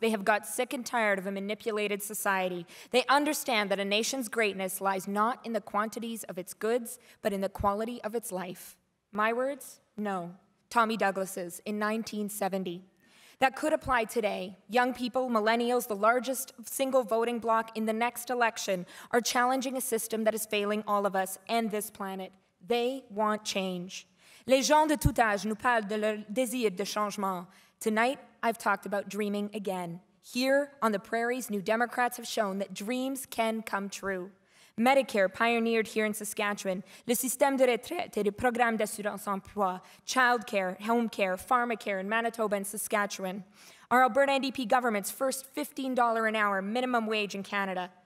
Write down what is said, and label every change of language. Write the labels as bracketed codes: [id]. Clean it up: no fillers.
[en] They have got sick and tired of a manipulated society. They understand that a nation's greatness lies not in the quantities of its goods, but in the quality of its life. My words? No. Tommy Douglas's in 1970. That could apply today. Young people, millennials, the largest single voting bloc in the next election, are challenging a system that is failing all of us and this planet. They want change. [fr] Les gens de tout âge nous parlent de leur désir de changement. [en] Tonight, I've talked about dreaming again. Here on the prairies, New Democrats have shown that dreams can come true. Medicare, pioneered here in Saskatchewan, [fr] le système de retraite et le programme d'assurance emploi, [en] child care, home care, pharma care in Manitoba and Saskatchewan. Our Alberta NDP government's first $15 an hour minimum wage in Canada.